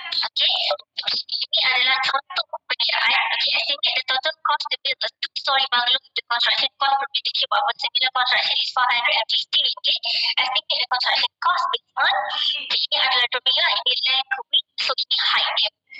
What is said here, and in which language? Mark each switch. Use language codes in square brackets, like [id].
[ms] Okay, ini adalah contoh perkiraan. [en] Okay, estimate the total cost to build a two-story bungalow with the construction cost per meter cube of a similar construction is RM450. Estimate the construction cost is on. [ms] Okay, ini adalah domain lah. Ini length, width, so ini height dia.